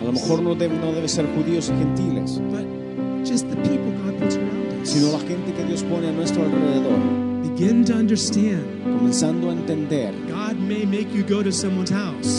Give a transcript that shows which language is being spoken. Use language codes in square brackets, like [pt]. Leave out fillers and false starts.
[es] A lo mejor no debe ser judíos y gentiles. [en] But just the people God puts around us. [es] Sino la gente que Dios pone a nuestro alrededor. [en] Begin to understand. [es] Comenzando a entender. [en] God may make you go to someone's house.